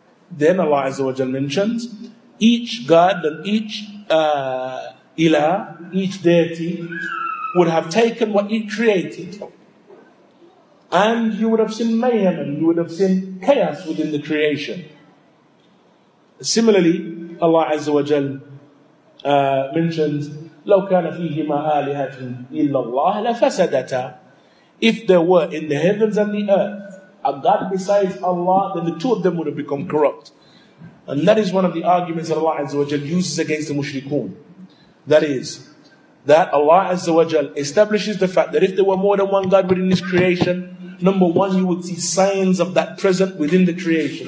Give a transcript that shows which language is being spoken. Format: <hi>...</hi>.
<en>Then Allah Azza wa Jal mentions, each god and each ilah, each deity, would have taken what it created. And you would have seen mayhem, and you would have seen chaos within the creation. Similarly, Allah Azza wa Jal mentions,</en> <ar>لَوْ كَانَ فِيهِمَا آلِهَةٌ إِلَّا اللَّهِ لَفَسَدَتَا.</ar> <en>If there were in the heavens and the earth a god besides Allah, then the two of them would have become corrupt. And that is one of the arguments that Allah Azza wa Jal uses against the mushrikun. That is, that Allah Azza wa Jal establishes the fact that if there were more than one god within this creation, number one, you would see signs of that present within the creation.</en>